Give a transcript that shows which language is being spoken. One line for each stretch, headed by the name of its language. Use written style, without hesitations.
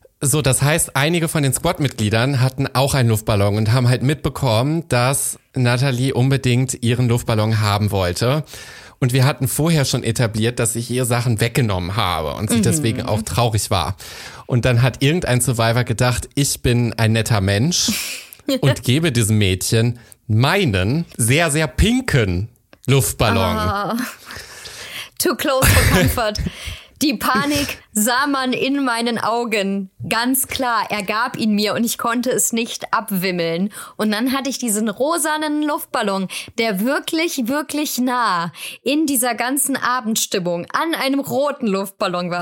German: So, das heißt, einige von den Squad-Mitgliedern hatten auch einen Luftballon und haben halt mitbekommen, dass Natalie unbedingt ihren Luftballon haben wollte. Und wir hatten vorher schon etabliert, dass ich ihr Sachen weggenommen habe und sie deswegen auch traurig war. Und dann hat irgendein Survivor gedacht, ich bin ein netter Mensch und gebe diesem Mädchen meinen sehr, sehr pinken Luftballon.
English: Ah, too close for comfort.
German: Die Panik sah man in meinen Augen. Ganz klar, er gab ihn mir und ich konnte es nicht abwimmeln. Und dann hatte ich diesen rosanen Luftballon, der wirklich, wirklich nah in dieser ganzen Abendstimmung an einem roten Luftballon war.